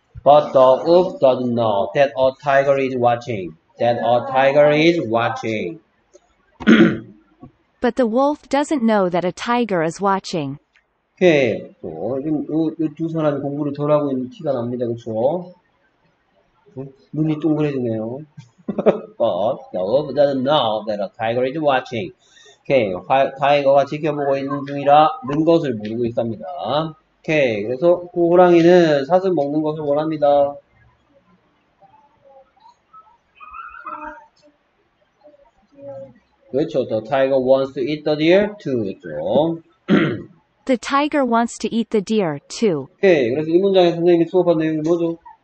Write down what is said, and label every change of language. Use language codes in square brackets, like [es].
[en] But the wolf doesn't know that a tiger is watching. That a tiger is watching. But the wolf doesn't know that a tiger is watching. [ko] 오케이. 또, 지금 두 사람이 공부를 덜 하고 있는 티가 납니다. 그쵸? 눈이 동그래지네요. [en] But the wolf doesn't know that a tiger is watching. [ko] 오케이. 타이거가 지켜보고 있는 중이라 는 것을 모르고 있답니다. 오케이. 그래서 그 호랑이는 사슴 먹는 것을 원합니다. 그렇죠. [en] The tiger wants to eat the deer too. [ko] 그렇죠. [en] The tiger wants to eat the deer too. [ko] 오케이. 그래서 이 문장에 선생님이 수업한 내용이 뭐죠?